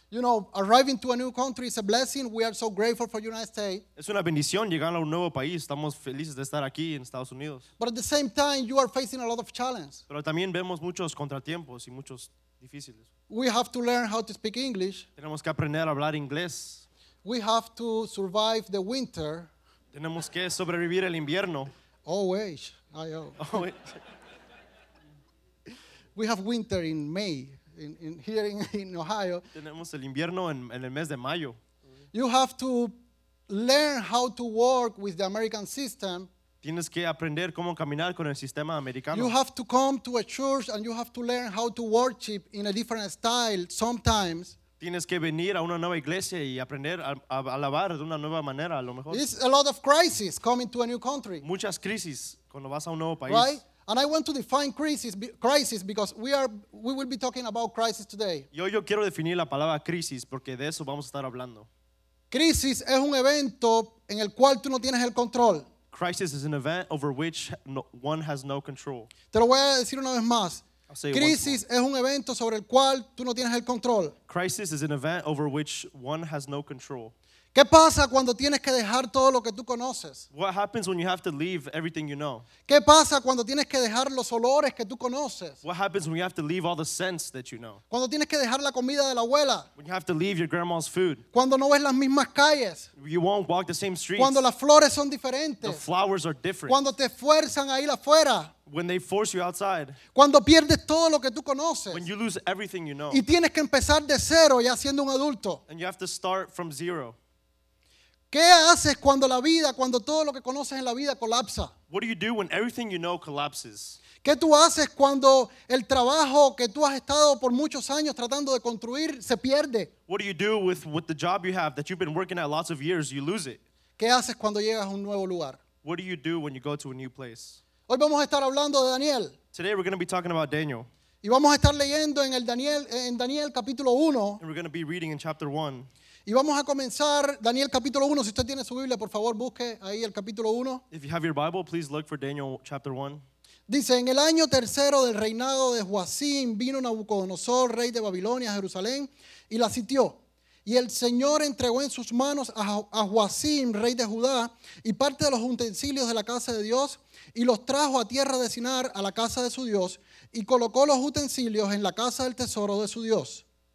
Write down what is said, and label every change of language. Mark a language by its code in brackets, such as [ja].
[en] You know, arriving to a new country is a blessing. We are so grateful for the United States. [es] Es una bendición llegar a un nuevo país. Estamos felices de estar aquí en Estados Unidos. [en] But at the same time, you are facing a lot of challenges. [es] Pero también vemos muchos contratiempos y muchos difíciles. [en] We have to learn how to speak English. [es] Tenemos que aprender a hablar inglés. [en] We have to survive the winter. [es] Tenemos que sobrevivir el invierno. [en] Always. I know. We have winter in May, in here in Ohio. [es] Tenemos el invierno en el mes de mayo. [en] You have to learn how to work with the American system. [es] Tienes que aprender cómo caminar con el sistema americano. [en] You have to come to a church and you have to learn how to worship in a different style sometimes. [es] Tienes que venir a una nueva iglesia y aprender a alabar de una nueva manera, a lo mejor. [en] It's a lot of crisis coming to a new country. [es] Muchas crisis cuando vas a un nuevo país. [en] Right? And I want to define crisis because we will be talking about crisis today. [es] Yo quiero definir la palabra crisis porque de eso vamos a estar hablando. Crisis es un evento en el cual tú no tienes el control. [en] Crisis is an event over which one has no control. [es] Te lo voy a decir una vez más. Crisis es un evento sobre el cual tú no tienes el control. [en] Crisis is an event over which one has no control. [es] ¿Qué pasa cuando tienes que dejar todo lo que tú conoces? [en] What happens when you have to leave everything you know? [es] ¿Qué pasa cuando tienes que dejar los olores que tú conoces? [en] What happens when you have to leave all the scents that you know? [es] Cuando tienes que dejar la comida de la abuela. [en] When you have to leave your grandma's food. [es] Cuando no ves las mismas calles. [en] You won't walk the same streets. [es] Cuando las flores son diferentes. [en] The flowers are different. [es] Cuando te fuerzan a ir afuera. [en] When they force you outside. [es] Cuando pierdes todo lo que tú conoces. [en] When you lose everything you know. [es] Y tienes que empezar de cero ya siendo un adulto. [en] And you have to start from zero. [es] ¿Qué haces cuando la vida, cuando todo lo que conoces en la vida colapsa? [en] What do you do when everything you know collapses? [es] ¿Qué tú haces cuando el trabajo que tú has estado por muchos años tratando de construir se pierde? [en] What do you do with the job you have that you've been working at lots of years, you lose it? [es] ¿Qué haces cuando llegas a un nuevo lugar? [en] What do you do when you go to a new place? [es] Hoy vamos a estar hablando de Daniel. [en] Today we're going to be talking about Daniel. [es] Y vamos a estar leyendo en el Daniel, en Daniel capítulo 1. [en] And we're going to be reading in chapter 1. [es] Y vamos a comenzar Daniel capítulo 1. Si usted tiene su Biblia, por favor, busque ahí el capítulo 1. [en] If you have your Bible, please look for Daniel chapter 1. [es] Dice, en el año tercero del reinado de Joacim, vino Nabucodonosor, rey de Babilonia, a Jerusalén, y la sitió. Y el Señor entregó en sus manos a Joacim, rey de Judá, y parte de los utensilios de la casa de Dios, y los trajo a tierra de Sinar, a la casa de su Dios, y colocó los utensilios en la casa del tesoro de su Dios.